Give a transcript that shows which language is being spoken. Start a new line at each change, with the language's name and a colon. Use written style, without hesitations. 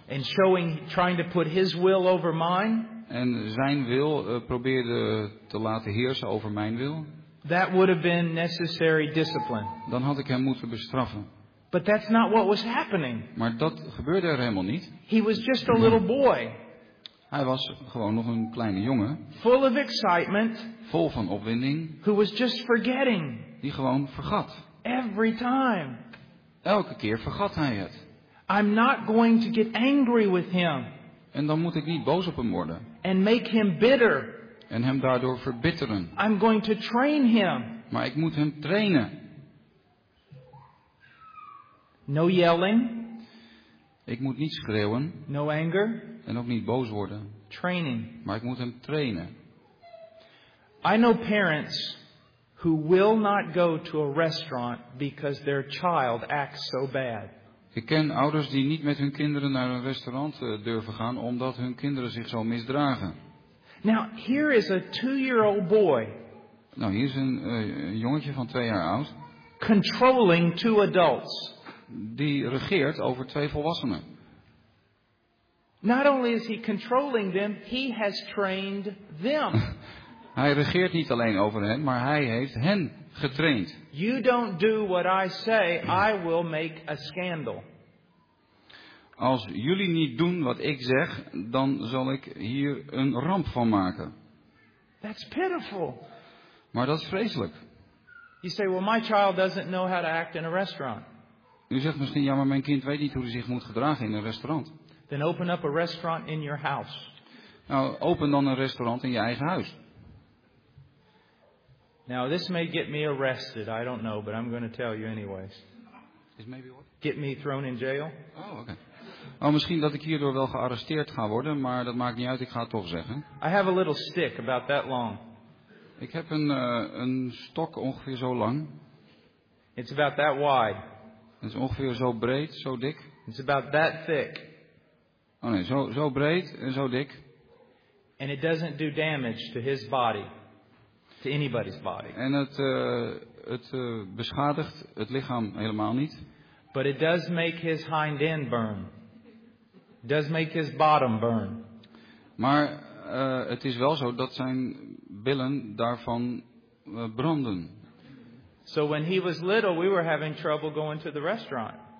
English: And showing, trying to put his will over mine.
Dutch: En zijn wil probeerde te laten heersen over mijn wil.
English: That would have been necessary discipline.
Dutch: Dan had ik hem moeten bestraffen.
English: But that's not what was happening.
Dutch: Maar dat gebeurde er helemaal niet.
English: He was just a little boy.
Dutch: Hij was gewoon nog een kleine jongen.
English: Full of excitement.
Dutch: Vol van opwinding.
English: Who was just forgetting.
Dutch: Die gewoon vergat.
English: Every time.
Dutch: Elke keer vergat hij het.
English: I'm not going to get angry with him.
Dutch: En dan moet ik niet boos op hem worden.
English: And make him bitter.
Dutch: En hem daardoor verbitteren.
English: I'm going to train him.
Dutch: Maar ik moet hem trainen.
English: No yelling.
Dutch: Ik moet niet schreeuwen.
English: No anger.
Dutch: En ook niet boos worden.
English: Training.
Dutch: Maar ik moet hem trainen.
English: I know parents who will not go to a restaurant because their child acts so bad.
Dutch: Ik ken ouders die niet met hun kinderen naar een restaurant durven gaan omdat hun kinderen zich zo misdragen.
English: Now here is a 2-year-old boy.
Dutch: Nou hier is een jongetje van 2 jaar oud.
English: Controlling 2 adults.
Dutch: Die regeert over 2 volwassenen.
English: Not only is he controlling them, he has trained them.
Dutch: Hij regeert niet alleen over hen, maar hij heeft hen getraind.
English: You don't do what I say, I will make a scandal.
Dutch: Als jullie niet doen wat ik zeg, dan zal ik hier een ramp van maken.
English: That's pitiful.
Dutch: Maar dat is vreselijk.
English: You say, well, my child doesn't know how to act in a restaurant.
Dutch: U zegt misschien, ja, maar mijn kind weet niet hoe hij zich moet gedragen in een restaurant.
English: Then open up a restaurant in your house.
Dutch: Nou, open dan een restaurant in je eigen huis.
English: Now this may get me arrested. I don't know, but I'm going to tell you anyways. Is maybe what? Get me thrown in jail.
Dutch: Oh, oké. Okay. Oh, misschien dat ik hierdoor wel gearresteerd ga worden, maar dat maakt niet uit. Ik ga het toch zeggen.
English: I have a little stick about that long.
Dutch: Ik heb een stok ongeveer zo lang.
English: It's about that wide.
Dutch: Het is ongeveer zo breed, zo dik.
English: It's about that thick.
Dutch: Oh nee, zo breed en zo dik.
English: And it doesn't do damage to his body, to anybody's body.
Dutch: En het beschadigt het lichaam helemaal niet.
English: But it does make his hind end burn. It does make his bottom burn.
Dutch: Maar het is wel zo dat zijn billen daarvan branden.
English: So when he was little, we were having trouble going to the restaurant.